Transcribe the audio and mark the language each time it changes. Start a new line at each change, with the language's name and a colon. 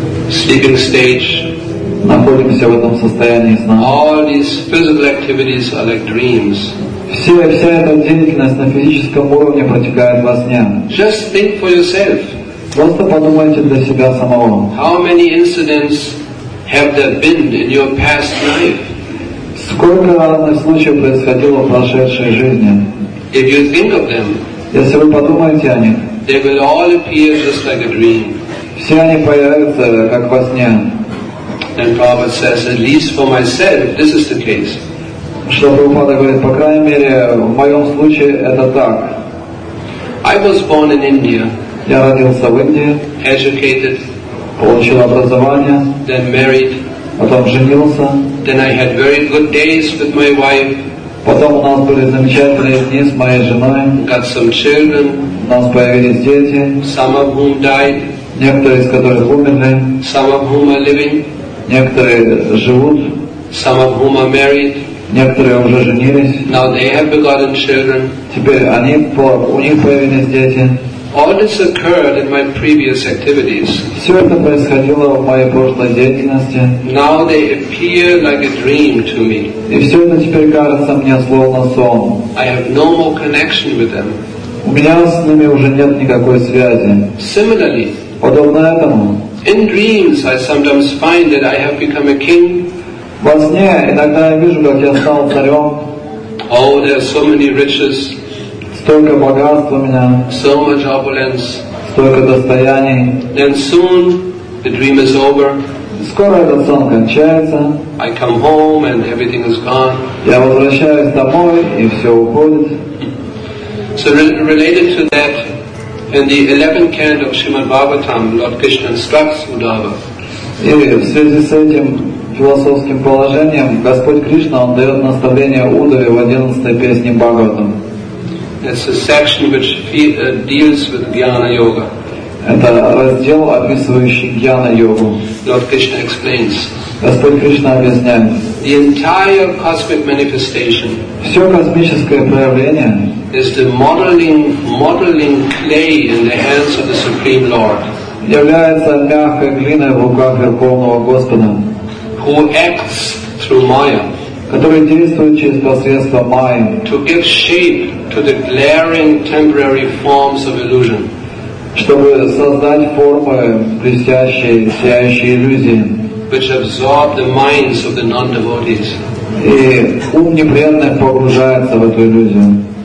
English: Sleeping stage.
Russian: Находимся в этом состоянии сна.
English: All these physical activities are like dreams.
Russian: Вся эта деятельность на физическом уровне протекает во сне.
English: Just think for yourself.
Russian: Просто подумайте для себя самого.
English: How many incidents have there been in your past life?
Russian: Сколько разных случаев происходило в прошедшей жизни?
English: If you think of them,
Russian: если вы подумаете о них,
English: they will all appear just like a dream.
Russian: Все они появятся как во сне.
English: And Prabhupada says, at least for myself, this is the case.
Russian: Шрила Прабхупада говорит, по крайней мере, в моем случае это так.
English: I was born in India.
Russian: Я родился в Индии.
English: Educated.
Russian: Получил образование.
English: Then married.
Russian: Потом женился.
English: Then I had very good days with my wife.
Russian: Потом у нас были замечательные дни с моей женой.
English: Got some children.
Russian: У нас появились дети.
English: Some of whom died.
Russian: Некоторые из которых умерли.
English: Some of whom are living.
Russian: Некоторые живут.
English: Some of whom are married.
Russian: Некоторые уже женились.
English: Now they have begotten children.
Russian: Теперь у них появились дети.
English: All this occurred in my previous activities.
Russian: Все это происходило в моей прошлой деятельности.
English: Now they appear like a dream to me.
Russian: И все это теперь кажется мне словно сон.
English: I have no more connection with them.
Russian: У меня с ними уже нет никакой связи.
English: Similarly,
Russian: подобно этому.
English: In dreams, I sometimes find that I have become a king.
Russian: Во сне иногда я вижу, как я стал царем.
English: Oh, there are so many riches.
Russian: Столько богатств у меня.
English: So much opulence.
Russian: Столько достояний.
English: Then soon the dream is over.
Russian: Скоро этот сон кончается.
English: I come home and everything is gone.
Russian: Я возвращаюсь домой и все уходит.
English: So related to that, in the 11th canto of Srimad Bhagavatam, Lord Krishna instructs Uddhava.
Russian: И в связи с этим философским положением Господь Кришна, Он дает наставление Удаве в 11-й песне Бхагаватам.
English: It's a section which deals with Jnana Yoga.
Russian: Это раздел, описывающий Jnana Yoga.
English: Lord Krishna explains.
Russian: Господь Кришна объясняет.
English: The entire cosmic manifestation.
Russian: Все космическое проявление.
English: Is the modeling clay in the hands of the Supreme Lord.
Russian: Является мягкой глиной в руках Верховного Господа.
English: Who acts through Maya.
Russian: Который действует через посредство Майи.
English: To give shape to the glaring temporary forms of illusion.
Russian: Чтобы создать формы блестящие, сияющие иллюзии.
English: Which absorb the minds of the non-devotees.
Russian: И ум неприятный погружается в эту иллюзию.